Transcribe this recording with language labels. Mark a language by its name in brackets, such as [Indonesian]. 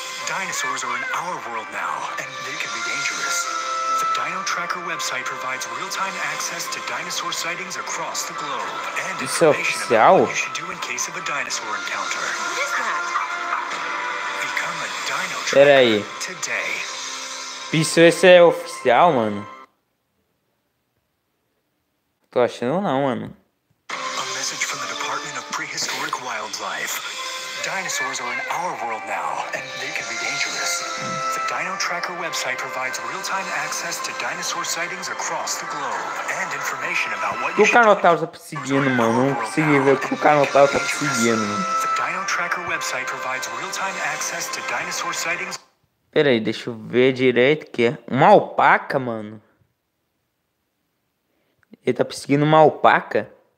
[English] Dinosaurs are in our world now, and they can be dangerous. The Dino Tracker website provides real-time access to dinosaur sightings across the globe, and information about what you should do in case of a dinosaur encounter. Become a Dino Tracker today. [Portuguese] Isso esse é oficial, mano? Tô achando não, mano. [English] A message from the Department of Prehistoric Wildlife. dinosaurs are in our world now, and they can be dangerous. The Dino Tracker website provides real-time access to dinosaur sightings across the globe and information about what you should do. [Portuguese] O Carnotaurus tá perseguindo, mano. Não consegui ver o que o Carnotaurus tá perseguindo. [English] The Dino Tracker website provides real-time access to dinosaur sightings. [Portuguese] Pera aí, deixa eu ver direito o que é. Uma alpaca, mano. Ele tá perseguindo uma alpaca?